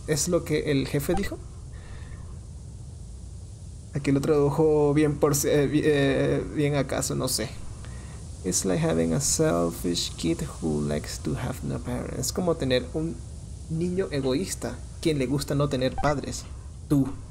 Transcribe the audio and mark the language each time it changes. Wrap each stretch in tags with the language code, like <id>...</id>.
<es>Es lo que el jefe dijo. Aquí lo tradujo bien por bien acaso, no sé.</es> <en>It's like having a selfish kid who likes to have no parents.</en> <es>Es como tener un niño egoísta quien le gusta no tener padres. Tú.</es>